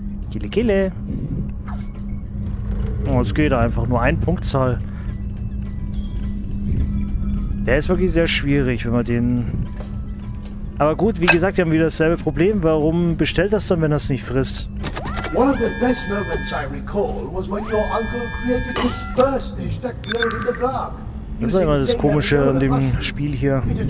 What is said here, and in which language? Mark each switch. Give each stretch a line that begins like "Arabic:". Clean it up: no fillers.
German: Kille, kille. Oh, es geht einfach nur ein Punktzahl. Der ist wirklich sehr schwierig, wenn man den... Aber gut, wie gesagt, wir haben wieder dasselbe Problem. Warum bestellt das dann, wenn das nicht frisst?
English: One of the best moments I recall was when your uncle created his first dish that glowed in the dark.
German: Das ist immer das Komische an dem Spiel hier.